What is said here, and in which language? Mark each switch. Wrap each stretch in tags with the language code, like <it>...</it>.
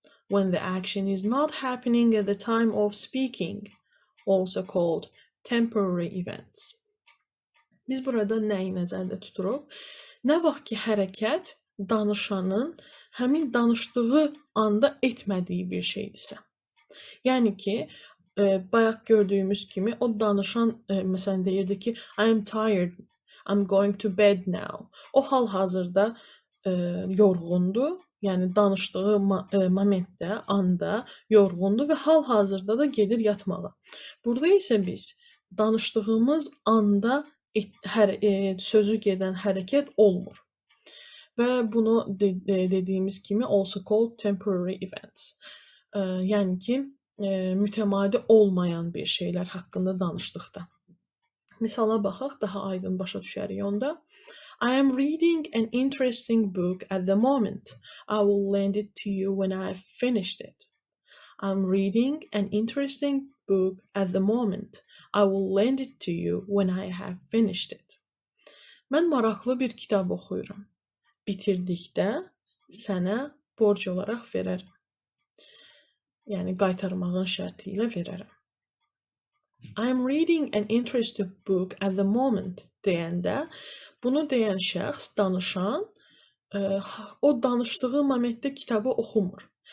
<en>When the action is not happening at the time of speaking, also called temporary events.</en> <az>Biz burada nəyi nəzərdə tuturuq? Nə vaxt ki hərəkət danışanın həmin danışdığı anda etmədiyi bir şeydirsə. Yəni ki, bayaq gördüyümüz kimi o danışan məsələn deyirdi ki,</az> <en>I am tired. I'm going to bed now.</en> <az>O hal-hazırda yorğundu. Yəni danışdığı momentdə, anda yorğundu və hal-hazırda da gedir yatmağa. Burada isə biz danışdığımız anda sözü gedən hərəkət olmur. Və bunu dediyimiz kimi</az> <en>also called temporary events.</en> <az>Yəni ki, mütəmadi olmayan bir şeylər haqqında danışdıqda. Misala baxaq, daha aydın başa düşərik onda.</az> <en>I am reading an interesting book at the moment. I will lend it to you when I have finished it. I'm reading an interesting book at the moment. I will lend it to you when I have finished it.</en> <az>Mən maraqlı bir kitab oxuyuram. Bitirdikdə sənə borc olaraq verərəm. Yəni qaytarmağın şərti ilə verərəm.</az> <en>I'm reading an interesting book at the moment</en> <az>deyəndə bunu deyən şəxs danışan o danışdığı momentdə kitabı oxumur.</az>